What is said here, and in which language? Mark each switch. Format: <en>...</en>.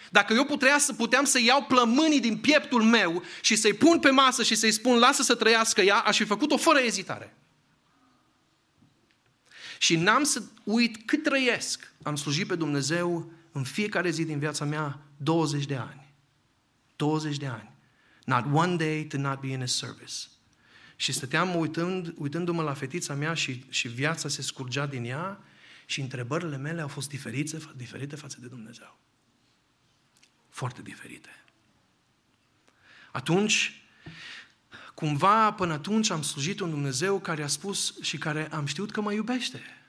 <ro>Dacă eu puteam să iau plămânii din pieptul meu și să-i pun pe masă și să-i spun lasă să trăiască ea, aș fi făcut-o fără ezitare. Și n-am să uit cât trăiesc. Am slujit pe Dumnezeu în fiecare zi din viața mea 20 de ani. 20 de ani.</ro> <en>Not one day to not be in his service.</en> <ro>Și stăteam uitându-mă la fetița mea și viața se scurgea din ea și întrebările mele au fost diferite față de Dumnezeu. Foarte diferite. Atunci, cumva până atunci am slujit un Dumnezeu care a spus și care am știut că mă iubește.</ro>